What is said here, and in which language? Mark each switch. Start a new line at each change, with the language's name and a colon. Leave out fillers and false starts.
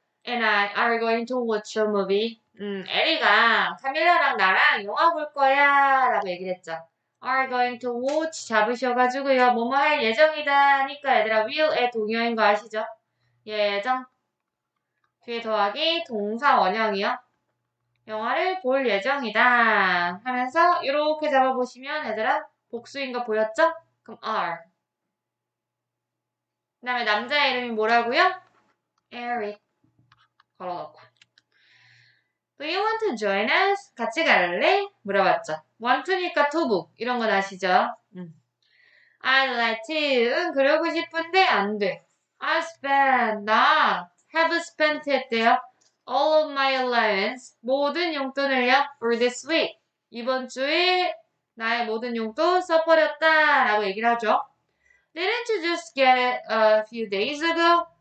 English: and I are going to watch a movie.
Korean: 에리가 카밀라랑 나랑 영화 볼 거야 라고 얘기를 했죠.
English: Are going to watch
Korean: 잡으셔가지고요. 뭐뭐 할 예정이다니까 얘들아. Will의 동의어인 거 아시죠? 예정. 뒤에 더하기 동사 원형이요. 영화를 볼 예정이다 하면서 이렇게 잡아보시면 얘들아 복수인 거 보였죠? 그럼 are. 그 다음에 남자 이름이 뭐라고요?
English: Eric.
Korean: 걸어놓고.
English: Do you want to join us?
Korean: 같이 갈래? 물어봤죠.
English: Want to니까 to book.
Korean: 이런 건 아시죠?
English: I'd like to.
Korean: 그러고 싶은데 안 돼.
English: I spent,
Korean: 나 have spent 했대요.
English: All of my allowance.
Korean: 모든 용돈을요.
English: For this week.
Korean: 이번 주에 나의 모든 용돈 써버렸다. 라고 얘기를 하죠.
English: Didn't you just get it a few days ago?